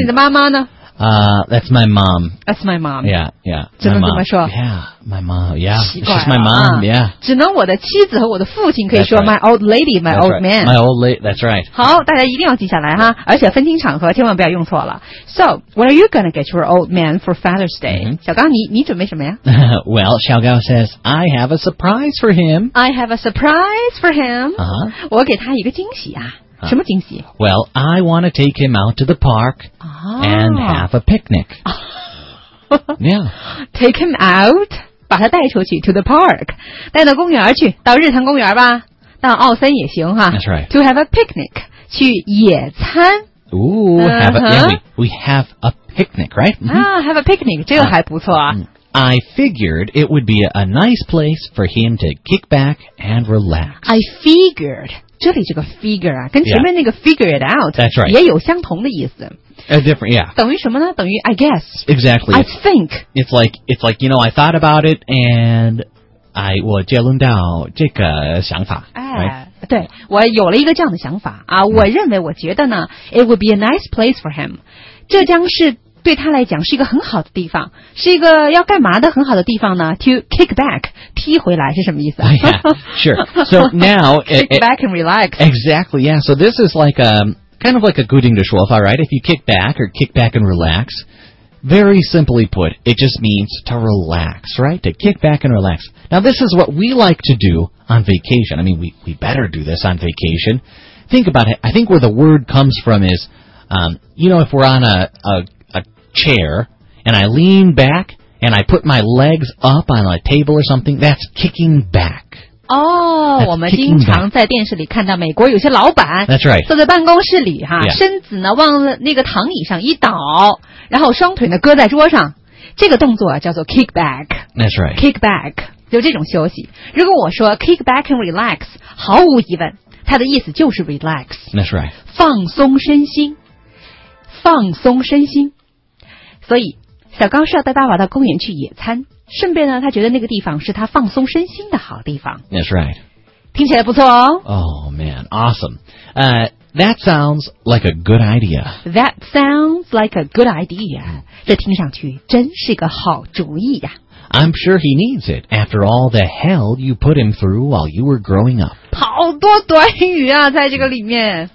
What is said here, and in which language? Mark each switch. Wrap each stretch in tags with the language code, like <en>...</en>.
<zh>那你的妈妈呢？</zh> <en>That's my mom. That's my mom. Yeah, yeah.</en> <zh>只能怎么说</zh> <en>？Yeah, my mom. Yeah, she's my mom. Yeah.</en> <zh>只能我的妻子和我的父亲可以说、</zh> <en>right. my old lady, my、 that's、 old man.、 Right. My old lady. That's right.</en> <zh>好，大家一定要记下来哈，而且分清场合，千万不要用错了。</zh> <en>So, what are you going to get your old man for Father's Day?、 Mm-hmm.</en> <zh>小刚，你准备什么呀</zh> <en>？Well, 小刚 says I have a surprise for him. I have a surprise for him. 啊、uh-huh. ，</en> <zh>我给他一个惊喜啊。什么惊喜</zh> <en>？Well, I want to take him out to the park、 oh. and have a picnic. yeah,</en> <zh>take him out, 把他带出去 to the park, 带到公园去，到日坛公园吧，到奥森也行哈。</zh> <en>That's right. To have a picnic, 去野餐。 Ooh, have a、uh-huh. yeah, we have a picnic, right? Ah,、mm-hmm. Have a picnic, 这个还不错啊。 I figured it would be a nice place for him to kick back and relax.</en> <zh>I figured. 这里这个 figure 啊，跟前面那个 figure it out、</zh> <en>yeah. right.</en> <zh>也有相同的意思。</zh> <en>A different, yeah.</en> <zh>等于什么呢？等于 I guess.</zh> <en>Exactly. I think. It's like, you know, I thought about it and I 我结论到这个想法。</en> <zh>哎，对，我有了一个这样的想法啊。我认为，我觉得呢 ， it would be a nice place for him. 这将是对他来讲是一个很好的地方，是一个要干嘛的很好的地方呢 ？ To kick back, 踢回来是什么意思、</zh> <en>啊、？Yeah, sure. So now, kick back and relax. Exactly. Yeah. So this is like a kind of like a good English word, right? If you kick back or kick back and relax, very simply put, it just means to relax, right? To kick back and relax. Now this is what we like to do on vacation. I mean, we better do this on vacation. Think about it. I think where the word comes from is, you know, if we're on a chair, and I lean back, and I put my legs up on a table or something, that's kicking back.</en> <zh>Oh, 我们经常在电视里看到美国有些老板</zh> <en>That's right.</en> <zh>坐在办公室里、</zh> <en>yeah.</en> <zh>身子呢往那个躺椅上一倒然后双腿呢搁在桌上这个动作叫做 kick back.</zh> <en>That's right.</en> <zh>Kick back, 就这种休息。如果我说 kick back and relax, 毫无疑问它的意思就是 relax.</zh> <en>That's right.</en> <zh>放松身心。放松身心。所以小刚是要带爸爸到公园去野餐顺便呢他觉得那个地方是他放松身心的好地方</zh> <en>That's right</en> <zh>听起来不错哦</zh> <en>Oh man, awesome That sounds like a good idea That sounds like a good idea 这听上去真是个好主意呀、啊、I'm sure he needs it after all the hell you put him through while you were growing up</en> <zh>好多短语啊在这个里面</zh>